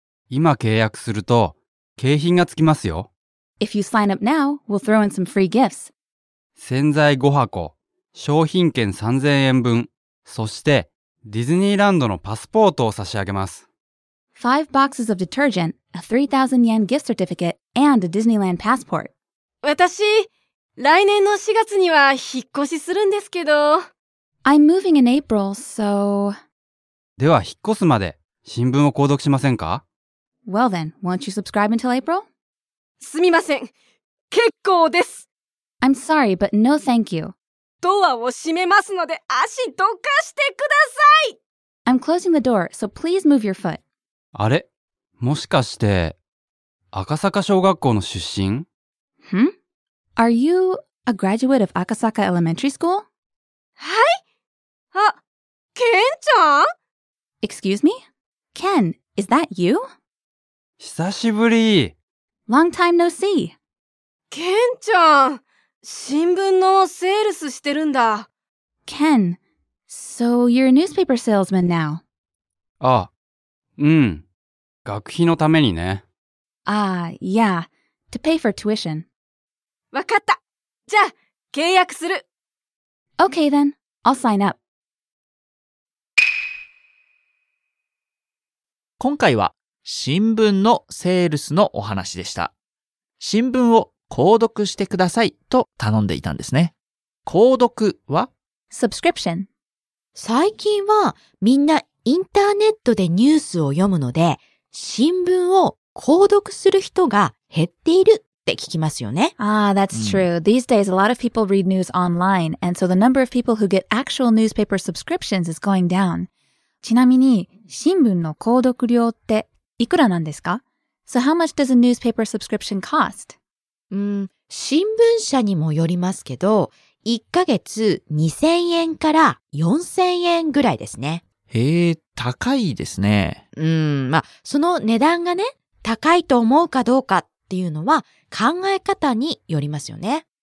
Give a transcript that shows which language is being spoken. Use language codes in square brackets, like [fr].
[ja] 今契約すると景品がつきますよ。 [en] If you sign up now, we'll throw in some free gifts. [ja] 洗剤5箱、商品券3000円分、そしてディズニーランドのパスポートを差し上げます。 [en] 5 boxes of detergent, a 3000 yen gift certificate, and a Disneyland passport. [ja] 私、来年の4月には引っ越しするんですけど。 [en] I'm moving in April, so... [ja] では引っ越すまで新聞を購読しませんか？ [en] Well then, won't you subscribe until April? [ja] すみません、結構です。 [en] I'm sorry, but no thank you. [ja] ドアを閉めますので足どかしてください。 [en] I'm closing the door, so please move your foot. [ja] あれ、もしかして赤坂小学校の出身？ [en] Hmm? Are you a graduate of Akasaka Elementary School? [ja] はい。あ、ケンちゃん？ [en] Excuse me? Ken, is that you? [ja] 久しぶり。 [en] Long time no see. [ja] ケンちゃん、新聞のセールスしてるんだ。 [en] Ken, so you're a newspaper salesman now. [ja] あ、うん。学費のためにね。 [en] Yeah. To pay for tuition. [ja] わかった。じゃあ、契約する。 [en] Okay then. I'll sign up. [ja] 今回は新聞のセールスのお話でした。新聞を購読してくださいと頼んでいたんですね。購読は [en] Subscription. [ja] 最近はみんなインターネットでニュースを読むので、新聞を購読する人が減っているって聞きますよね。 [en] That's true. These days, a lot of people read news online, and so the number of people who get actual newspaper subscriptions is going down. [ja] ちなみに、新聞の購読料っていくらなんですか? [en] So how much does a newspaper subscription cost? [ja] 新聞社にもよりますけど、1ヶ月2000円から4000円ぐらいですね。へえ、高いですね。その値段がね、高いと思うかどうかっていうのは考え方によりますよね。